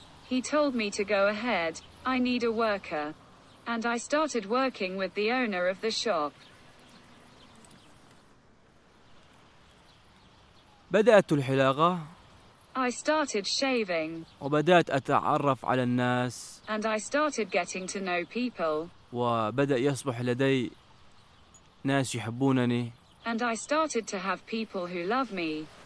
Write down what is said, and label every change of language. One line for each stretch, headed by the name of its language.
English: He told me to go ahead, I need a worker. And I started working with the owner of the shop.
Arabic: بدأت الحلاقة.
English: I started shaving.
Arabic: وبدأت أتعرف على الناس.
English: And I started getting to know people.
Arabic: وبدأ يصبح لدي ناس يحبونني.
English: And I started to have people who love me.